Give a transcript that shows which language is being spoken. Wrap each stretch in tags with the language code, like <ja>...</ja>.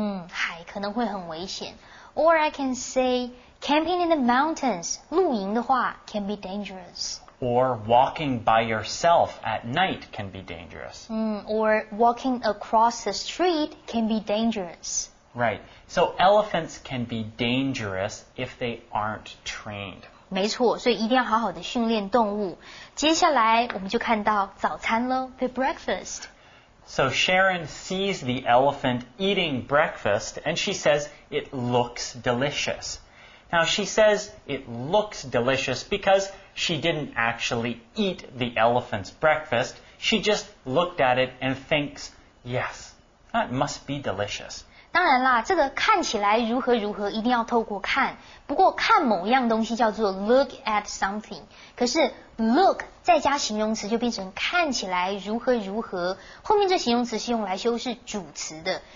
<zh>海可能会很危险。</zh> <en>Or I can say, camping in the mountains,</en> <zh>露营的话</zh> <en>can be dangerous. Or walking by yourself at night can be dangerous. Or walking across the street can be dangerous. Right. So elephants can be dangerous if they aren't trained.</en> <zh>没错，所以一定要好好的训练动物。接下来我们就看到早餐了 ，</zh> <en>the breakfast. So Sharon sees the elephant eating breakfast, and she says it looks delicious. Now she says it looks delicious because. She didn't actually eat the elephant's breakfast. She just looked at it and thinks, yes, that must be delicious.</en> <zh>当然啦，这个看起来如何如何一定要透过看。不过看某样东西叫做</zh> <en>look at something.</en> <zh>可是 look 再加形容词就变成看起来如何如何。后面这形容词是用来修饰主词的。</zh>